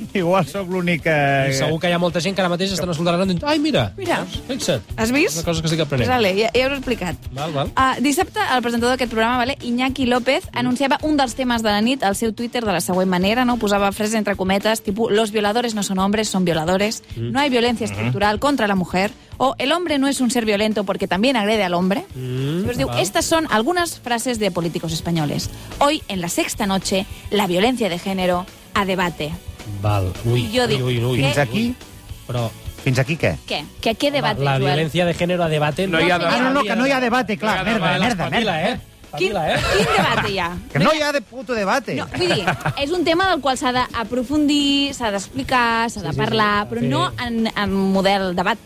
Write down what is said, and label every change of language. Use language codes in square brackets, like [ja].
[ca] Igual sóc l'únic que... I segur que hi ha molta gent que ara mateix estan escoltant i dient: "Ai, mira, fixa't." Has vist? Una cosa que estic aprenent. Vale, ja us he explicat. Val. Dissabte, el presentador d'aquest programa, vale, Iñaki López, anunciava un dels temes de la nit al seu Twitter de la següent manera, no? Posava frases entre cometes, tipus: [es] "Los violadores no son hombres, son violadores. No hay violencia estructural contra la mujer." O: "El hombre no es un ser violento porque también agrede al hombre." Pues diu, estas son algunas frases de políticos españoles. Hoy, en La Sexta Noche, la violencia de género a debate. [ca] Val. Ui, jo dic, ui. Fins aquí, però... Fins aquí què? Què? Què debate? La violència de gènere a debate... No hi ha debat. No, que no hi ha debate, clar. No ha debat. Merda. Quin debate hi ha? Que no hi ha de puto debate. No, vull dir, és un tema del qual s'ha d'aprofundir, s'ha d'explicar, s'ha de parlar, però no en model debat.